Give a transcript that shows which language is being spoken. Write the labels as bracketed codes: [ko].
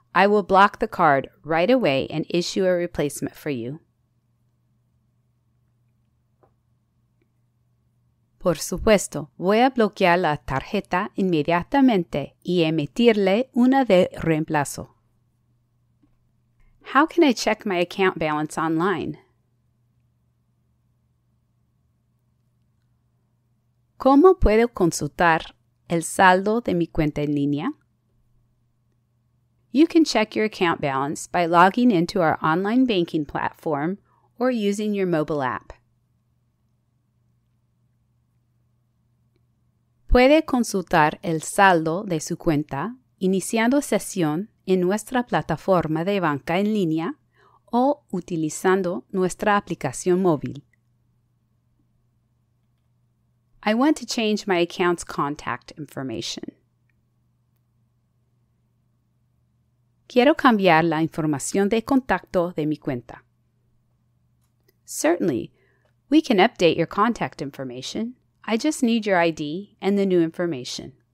[en] I will block the card right away and issue a replacement for you. [es] Por supuesto, voy a bloquear la tarjeta inmediatamente y emitirle una de reemplazo. [en] How can I check my account balance online? [es] ¿Cómo puedo consultar el saldo de mi cuenta en línea? [en] You can check your account balance by logging into our online banking platform or using your mobile app. [es] Puede consultar el saldo de su cuenta iniciando sesión en nuestra plataforma de banca en línea o utilizando nuestra aplicación móvil. [en] I want to change my account's contact information. [es] Quiero cambiar la información de contacto de mi cuenta. [en] Certainly. We can update your contact information. I just need your ID and the new information.